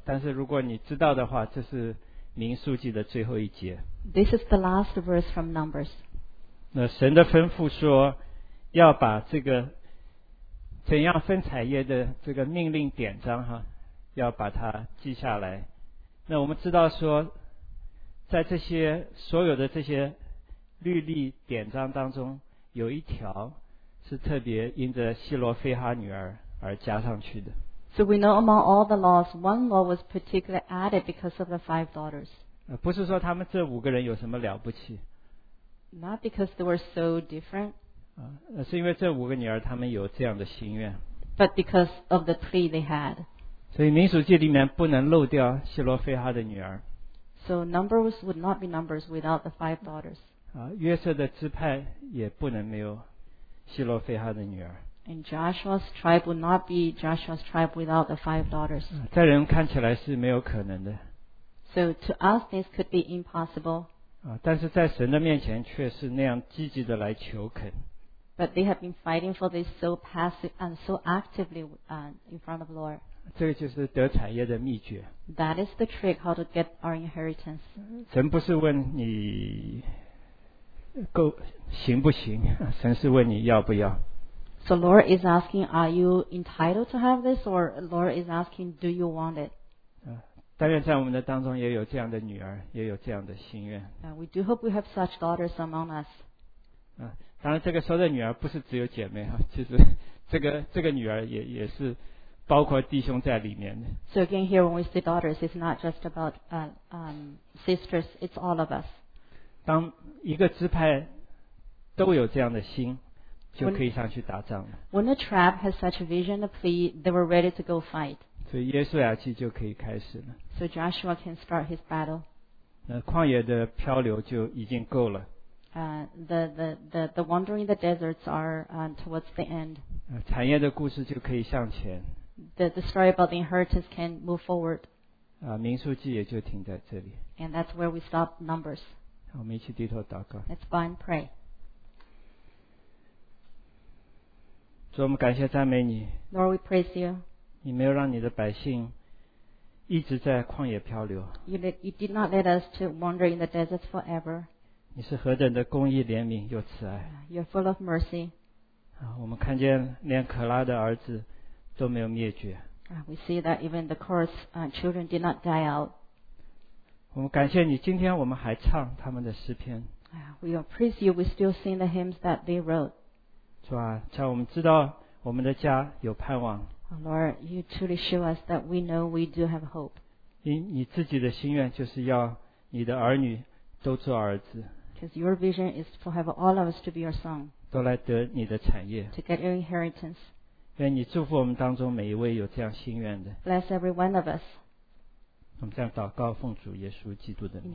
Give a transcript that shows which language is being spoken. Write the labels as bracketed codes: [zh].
[zh] 但是如果你知道的话，这是民数记的最后一节。 [en] This is the last verse from Numbers. [zh] 那神的吩咐说，要把这个怎样分产业的这个命令典章哈，要把它记下来。那我们知道说，在这些所有的这些律例典章当中。有一条是特别因着希罗菲哈女儿而加上去的。 [en] So we know among all the laws, one law was particularly added because of the five daughters. [zh] 不是说他们这五个人有什么了不起。 [en] Not because they were so different. [zh] 是因为这五个女儿他们有这样的心愿。 [en] But because of the plea they had. [zh] 所以民数记里面不能漏掉希罗菲哈的女儿。 [en] So numbers would not be numbers without the five daughters. [zh] 约瑟的支派也不能没有希罗菲哈的女儿。 [en] And Joshua's tribe would not be Joshua's tribe without the five daughters. [zh] 在人看起来是没有可能的。 [en] So to us, this could be impossible. [zh] 但是在神的面前却是那样积极的来求肯。 [en] But they have been fighting for this so passive and so actively in front of the Lord. [zh] 这个就是得产业的秘诀。 [en] That is the trick how to get our inheritance. [zh] 神不是问你。够行不行神是问你要不要 [en] So Lord is asking are you entitled to have this or Lord is asking do you want it [zh] 但愿在我们的当中也有这样的女儿也有这样的心愿 [en] We do hope we have such daughters among us [zh] 当然这个说的女儿不是只有姐妹其实这个女儿 也是包括弟兄在里面 [en] So again here when we say daughters it's not just about sisters it's all of us [zh] 当一个支派都有这样的心就可以上去打仗了 [en] when the tribe has such a vision a plea they were ready to go fight [zh] 所以耶稣亚记就可以开始了 [en] so Joshua can start his battle [zh] 那旷野的漂流就已经够了 [en] the wandering the deserts are towards the end [zh] 产业的故事就可以向前 [en] the story about the inheritance can move forward [zh] 民数记也就停在这里 [en] and that's where we stop numbers [zh] 我们一起低头祷告 [en] Let's bow and pray [zh] 主我们感谢赞美你 [en] Lord we praise you [zh] 你没有让你的百姓一直在旷野漂流 [en] you did not let us to wander in the desert forever [zh] 你是何等的公义怜悯又慈爱 [en] You're full of mercy [zh] 我们看见连可拉的儿子都没有灭绝 [en] We see that even the Korah's children did not die out [zh] 我们感谢你今天我们还唱他们的诗篇 [en] We will praise you We still sing the hymns that they wrote [zh] 主啊叫我们知道我们的家有盼望 [en] Oh, Lord, you truly show us that we know we do have hope. [zh] 因你自己的心愿就是要你的儿女都做儿子。 [en] Because your vision is to have all of us to be your son. [zh] 都来得你的产业。 [en] To get your inheritance. [zh] 愿你祝福我们当中每一位有这样心愿的。 [en] Bless every one of us. [zh] 我们这样祷告奉主耶稣基督的名。